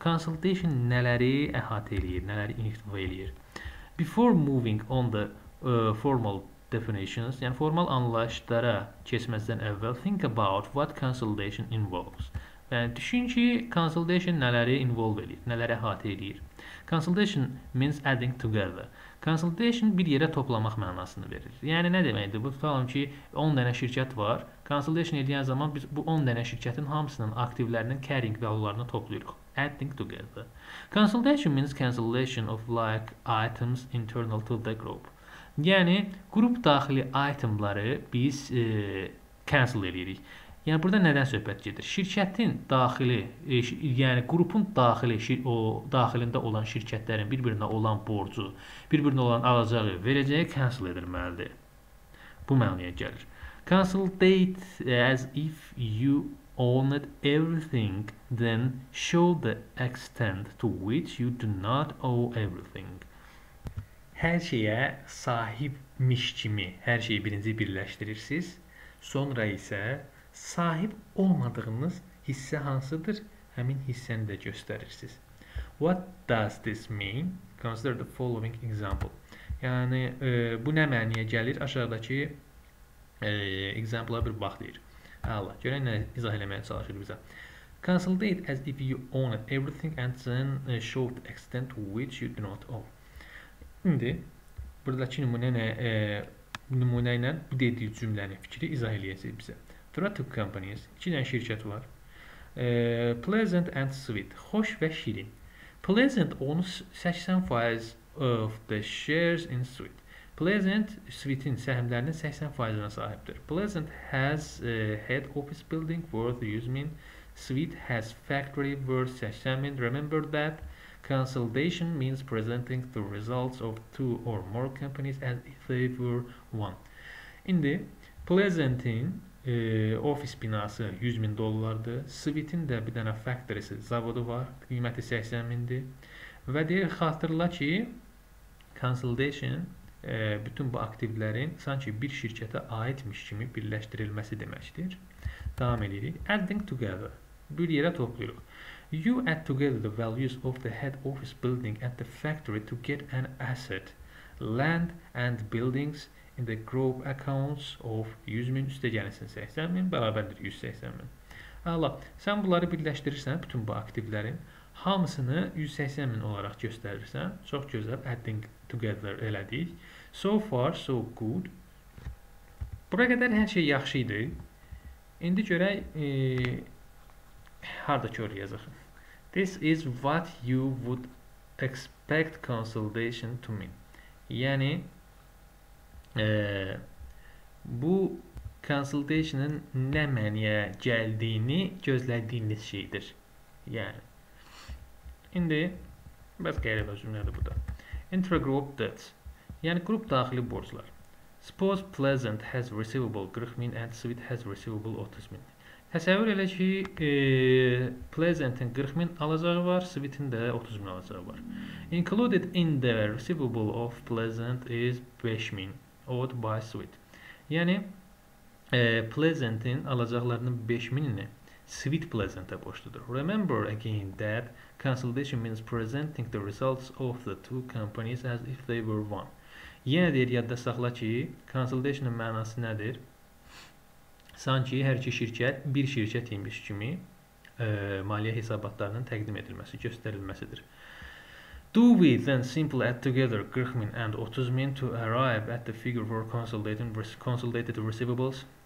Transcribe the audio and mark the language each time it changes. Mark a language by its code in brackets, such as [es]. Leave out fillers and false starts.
[az] Consolidation nələri əhatə eləyir, nələri inhiv eləyir? [en] Before moving on the formal definitions, [az] yəni formal anlayışlara keçməzdən əvvəl, [en] think about what consolidation involves. [az] Yəni, düşün ki, consolidation nələri involve eləyir, nələri əhatə eləyir. [en] Consolidation means adding together. [az] Consolidation bir yerə toplamaq mənasını verir. Yəni, nə deməkdir? Bu, tutalım ki, 10 dənə şirkət var. Consolidation edən zaman biz bu 10 dənə şirkətin hamısının aktivlərinin carrying value-larını topluyuruq. [en] Adding together. Consolidation means cancellation of like items internal to the group. [az] Yəni, qrup daxili itemları biz cancel edirik. Yəni, burada nədən söhbət gedir? Şirkətin daxili, yəni qrupun daxili, o daxilində olan şirkətlərin bir-birinə olan borcu, bir-birinə olan alacağı, verəcəyi cancel edilməlidir. Bu mənaya gəlir. [en] Consolidate as if you owned everything, then show the extent to which you do not owe everything. [az] Hər şeyə sahibmiş kimi hər şeyi birinci birləşdirirsiniz. Sonra isə sahib olmadığınız hissə hansıdır? Həmin hissəni də göstərirsiniz. [en] What does this mean? Consider the following example. [az] Yəni, bu nə mənəyə gəlir? Aşağıdakı example-a bir bax deyir. Allah, görək nə izah eləməyə çalışır bizə. [en] Consolidate as if you own everything and then show the extent to which you do not own. [az] İndi, buradakı nümunə ilə bu dediyi cümlənin fikri izah eləyəcək bizə. [en] There are two companies, [az] iki dənə şirkət var. Pleasant and sweet, xoş və şirin. [en] Pleasant owns 80% of the shares in sweet. [az] Pleasant, sweet-in səhmlərinin 80%-ına sahibdir. [en] Pleasant has head office building worth 100 min. Sweet has factory worth 80 min. Remember that. Consolidation means presenting the results of two or more companies as if they were one. [az] İndi, Pleasant-in office binası 100 min dollardır. Sweet-in də bir dənə factory-si, zavodu var. Qiyməti 80 mindir. Və deyir, xatırla ki, consolidation bütün bu aktivlərin sanki bir şirkətə aidmiş kimi birləşdirilməsi deməkdir. Davam edirik. [en] Adding together. [az] Bir yerə topluyoruz. [en] You add together the values of the head office building and the factory to get an asset. Land and buildings in the group accounts of 100 [az] min üstə gəlirsin 80 min, bərabərdir 180 min. Hala, sən bunları birləşdirirsən, bütün bu aktivlərin hamısını 180 min olaraq göstərirsən. Çox gözəl, adding together elədik. [en] So far, so good. [az] Bura qədər hər şey yaxşı idi. İndi görək, harada körü yazıq. [en] This is what you would expect consolidation to mean. [az] Yəni, bu consolidation'ın nə mənəyə gəldiyini gözlədiyiniz şeydir. Yəni, indi, bəs qeyri bəs cümlədir bu da. [en] Intra-group debts. [az] Yəni, qrup daxili borclar. [en] Suppose Pleasant has receivable 40,000 and Sweet has receivable 30,000. [az] Təsəvvür elə ki, Pleasant'ın 40,000 alacağı var, Sweet'in də 30,000 alacağı var. [en] Included in the receivable of Pleasant is 5,000 owed by Sweet. [az] Yəni, Pleasant'ın alacaqlarının 5,000-ini Sweet Pleasant'a borcludur. [en] Remember again that consolidation means presenting the results of the two companies as if they were one. [az] Yenə deyir, yadda saxla ki, consolidation'ın mənası nədir? Sanki hər iki şirkət bir şirkət imiş kimi maliyyə hesabatlarının təqdim edilməsi, göstərilməsidir. [en] Do we then simply add together 40,000 and 30,000 to arrive at the figure for consolidated receivables?